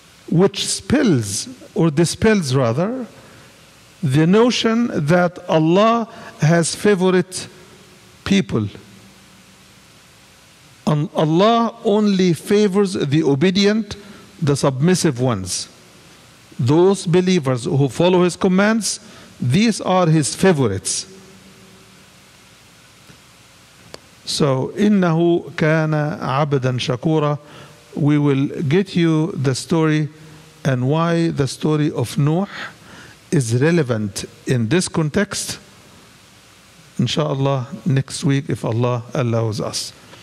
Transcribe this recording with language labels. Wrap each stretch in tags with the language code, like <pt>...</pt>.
<en>Which spells, or dispels rather, the notion that Allah has favorite people. And Allah only favors the obedient, the submissive ones. Those believers who follow His commands, these are His favorites.</en> <ar>So, إِنَّهُ كَانَ عَبْدًا شَكُورًا.</ar> <en>We will get you the story and why the story of Nuh is relevant in this context, inshallah, next week if Allah allows us.</en>